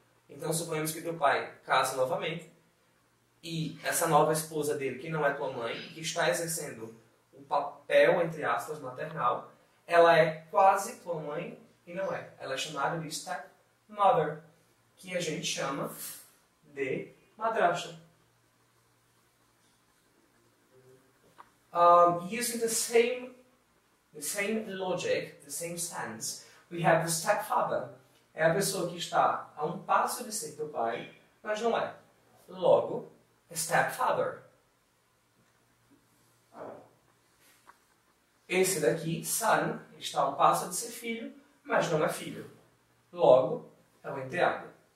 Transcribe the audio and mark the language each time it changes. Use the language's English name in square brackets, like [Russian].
[Portuguese] Então, suponhamos que teu pai case novamente e essa nova esposa dele, que não é tua mãe, que está exercendo o papel, entre aspas, maternal, ela é quase tua mãe e não é. Ela é chamada de stepmother, que a gente chama de madrasta. [English] Using the same logic, the same sense, we have the stepfather. [Portuguese] É a pessoa que está a um passo de ser teu pai, mas não é. Logo, stepfather. Esse daqui, son, está a um passo de ser filho, mas não é filho. Logo, é o enteado.